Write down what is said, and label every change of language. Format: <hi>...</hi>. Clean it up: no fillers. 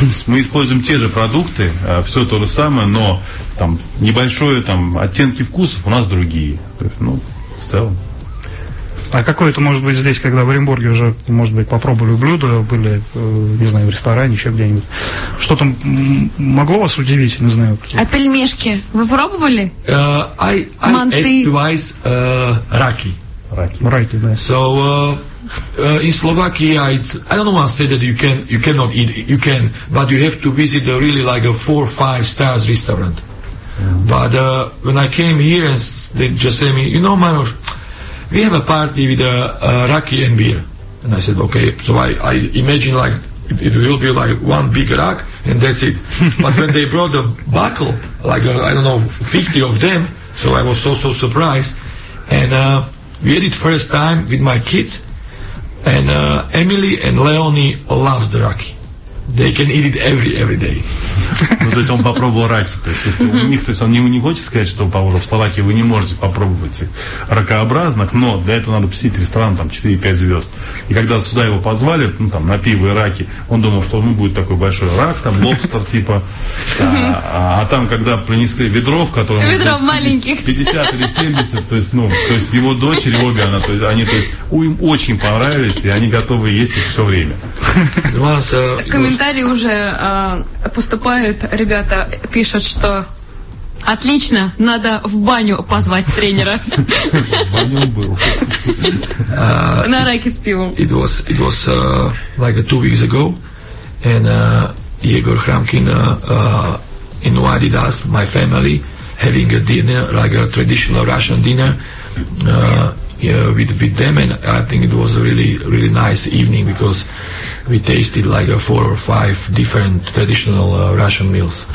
<ru>Мы используем те же продукты, все то же самое, но там небольшое, там, оттенки вкусов у нас другие. То есть, в целом. А какое это может быть здесь, когда в Оренбурге уже, может быть, попробовали блюдо, были, не знаю, в ресторане, еще где-нибудь. Что-то могло вас удивить, не знаю. А пельмешки вы пробовали?</ru> <en>I ate twice раки.</en> <ru>Раки, да.</ru> <en>So, in Slovakia, it's, I don't want to say that you cannot eat, you can, but you have to visit a really like a 4-5 stars restaurant. Mm-hmm. But when I came here, they just say me, Maros, we have a party with raki and beer. And I said, okay, so I imagine it will be like one big rack and that's it. But when they brought a buckle, 50 of them, so I was so surprised. And we had it first time with my kids, and Emily and Leonie loves the raki. They can eat it every day.</en> <ru>То есть он попробовал раки. То есть у них, то есть он не хочет сказать, что в Словакии вы не можете попробовать их ракообразных, но для этого надо посетить ресторан, там 4-5 звезд. И когда сюда его позвали, на пиво и раки, он думал, что будет такой большой рак, там лобстер типа. А там, когда принесли ведро, в котором... Ведро маленьких. 50 или 70, то есть его дочери, обе она, то есть они, то есть им очень понравились, и они готовы есть их все время. Комментарии уже поступают, ребята пишут, что отлично, надо в баню позвать тренера. В баню был. На раки с пивом.</ru> <en>It was two weeks ago, and Егор Храмкин invited us, my family, having a dinner, a traditional Russian dinner. With them, and I think it was a really, really nice evening because we tasted four or five different traditional Russian meals.</en>